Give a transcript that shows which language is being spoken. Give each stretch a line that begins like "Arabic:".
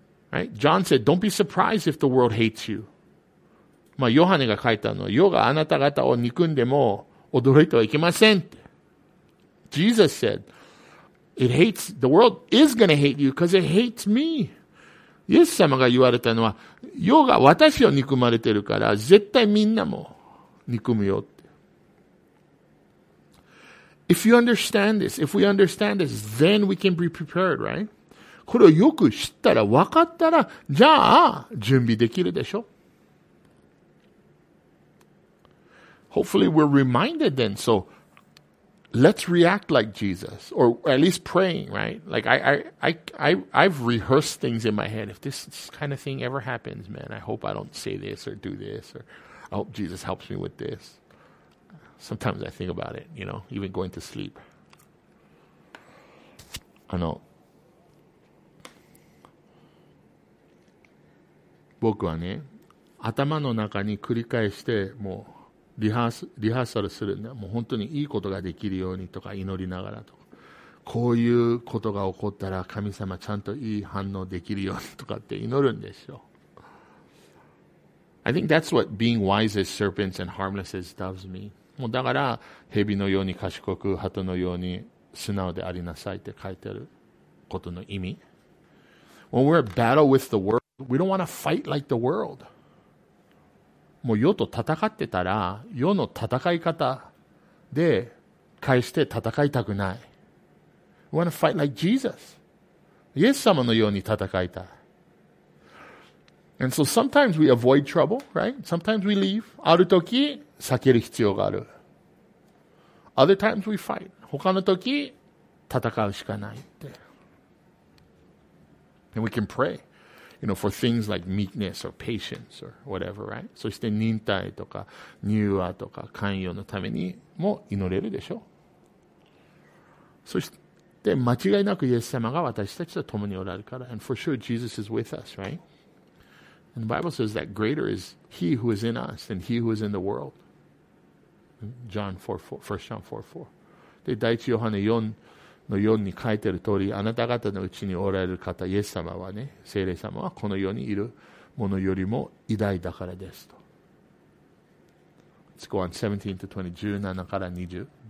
English: Right? John said, don't be surprised if the world hates you.
Japanese: まあ、ヨハネが書いたのは、世があなた方を憎んでも驚いてはいけませんって。
English: Jesus said,It hates, the world is gonna hate you because it hates me.
Japanese: イエス様が言われたのは、世が私を憎まれてるから、絶対みんなも憎むよって。
English: If you understand this, if we understand this, then we can be prepared, right?
Japanese: これをよく知ったら、分かったら、じゃあ、準備できるでしょ。
English: Hopefully we're reminded then, so,Let's react like Jesus, or at least praying, right? Like I've rehearsed things in my head. If this kind of thing ever happens, man, I hope I don't say this or do this, or I hope Jesus helps me with this. Sometimes I think about it, you know, even going to sleep. I know.
Japanese: 僕はね、頭の中に繰り返してもう。リハーサルするんだ。もう本当にいいことができるようにとか祈りながらとか。こういうことが起こったら神様ちゃんといい反応できるようにとかって祈るんでしょう。
English: I think that's what being wise as serpents and harmless as doves mean.
Japanese: もうだから、蛇のように賢く、鳩のように素直でありなさいって書いてあることの意味。
English: When we're at battle with the world, we don't want to fight like the world.
Japanese: もう世と戦ってたら、世の戦い方で返して戦いたくない。
English: We want to fight like Jesus.
Japanese: イエス様のように戦いたい。
English: And so sometimes we avoid trouble, right? Sometimes we leave.
Japanese: ある時、避ける必要がある。
English: Other times we fight.
Japanese: 他の時、戦うしかないって。
English: And we can pray. You know, for things like meekness or patience or whatever, right?
Japanese: そして忍耐とか柔和とか寛容のためにも祈れるでしょう。そして間違いなくイエス様が私たちと共におられるから。
English: And for sure Jesus is with us, right? And the Bible says that greater is he who is in us than he who is in the world. John 4:4.
Japanese: 1 John 4:4. で、第1ヨハネ4の4に書いてる通り、あなた方のうちにおられる方、イエス様はね、聖霊様はこの世にいるものよりも偉大だからですと。
English: Let's go on 17-20,